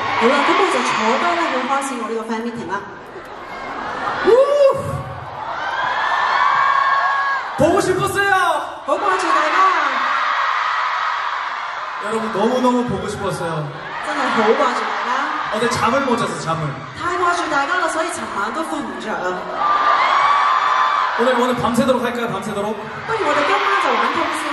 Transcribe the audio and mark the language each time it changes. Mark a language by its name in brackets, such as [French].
[Korean] 우리가 첫 번째 저번에 화신 우리가 팬미팅아. 보고 싶었어요. 보고 싶었어요. 여러분 너무너무 보고 싶었어요. 정말 보고 싶었어요. 어제 잠을 못 잤어, 잠을. [Chinese] 太夸张了所以怎么都睡不着 [Korean] 오늘 밤새도록 할까요, 밤새도록? 아니, 오늘 깨끗하죠, 완전